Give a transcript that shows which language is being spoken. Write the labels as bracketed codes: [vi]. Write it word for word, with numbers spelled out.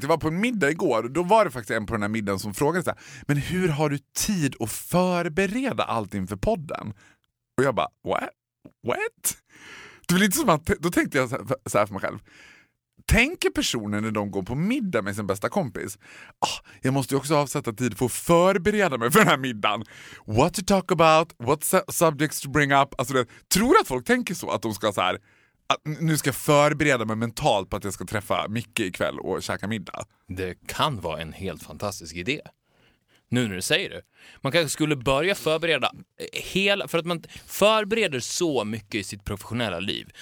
[sv] Det var på en middag igår. Då var det faktiskt en på den här middagen som frågade så här, men hur har du tid att förbereda allt inför podden? Och jag bara, [en] what? What? [sv] Det var lite som att, då tänkte jag så här, så här för mig själv. Tänker personen när de går på middag med sin bästa kompis, ah, jag måste ju också avsätta tid för att förbereda mig för den här middagen. [en] What to talk about, what su- subjects to bring up. [sv] Alltså det, tror att folk tänker så, att de ska så här, att nu ska jag förbereda mig mentalt på att jag ska träffa Micke ikväll och käka middag. Det kan vara en helt fantastisk idé. Nu när du säger det. Man kanske skulle börja förbereda hela... För att man förbereder så mycket i sitt professionella liv.